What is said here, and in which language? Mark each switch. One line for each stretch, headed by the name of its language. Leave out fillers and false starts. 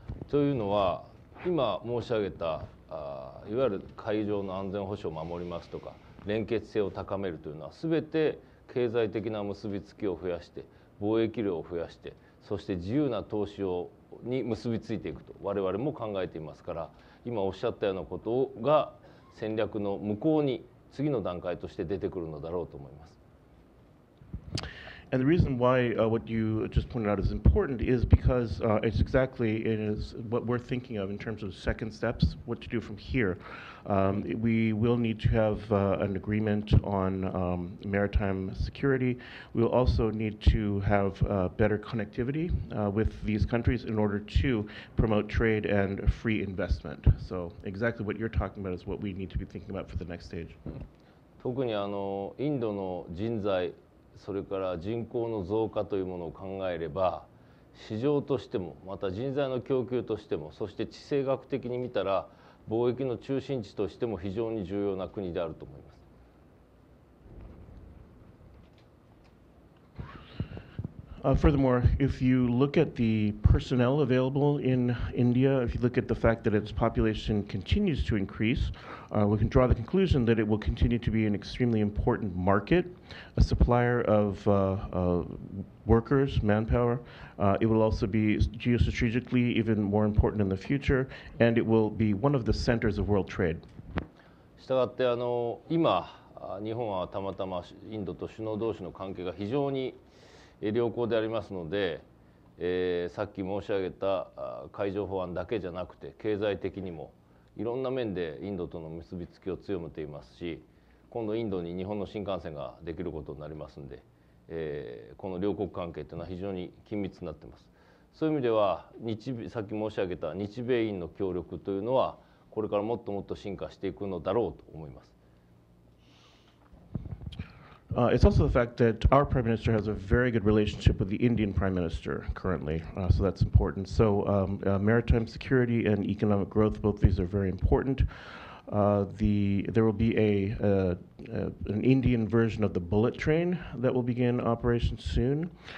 Japanese: というのは、今申し上げた、いわゆる海上の安全保障を守りますとか、連結性を高めるというのは、すべて経済的な結びつきを増やして、貿易量を増やして、そして自由な投資をに結びついていくと我々も考えていますから、今おっしゃったようなことが戦略の向こうに次の段階として出てくるのだろうと思います。
English: And the reason why what you just pointed out is important is because it's exactly it is what we're thinking of in terms of second steps, what to do from here. We will need to have an agreement on maritime security. We'll also need to have better connectivity with these countries in order to promote trade and free investment. So exactly what you're talking about is what we need to be thinking about for the next stage.
Japanese: 特にあのインドの人材それから人口の増加というものを考えれば市場としてもまた人材の供給としてもそして地政学的に見たら貿易の中心地としても非常に重要な国であると思います。
English: Furthermore, if you look at the personnel available in India, if you look at the fact that its population continues to increase,we can draw the conclusion that it will continue to be an extremely important market, a supplier of workers, manpower. It will also be geostrategically even more important in the future, and it will be one of the centers of world trade.
Japanese: したがって、今、日本はたまたまインドと首脳同士の関係が非常に良好でありますので、さっき申し上げた海上保安だけじゃなくて、経済的にも、いろんな面でインドとの結びつきを強めていますし、今度インドに日本の新幹線ができることになりますので、この両国関係というのは非常に緊密になっています。そういう意味では、さっき申し上げた日米印の協力というのは、これからもっともっと進化していくのだろうと思います。
English: It's also the fact that our Prime Minister has a very good relationship with the Indian Prime Minister currently, so that's important. So maritime security and economic growth, both these are very important. There will be an Indian version of the bullet train that will begin operation soon.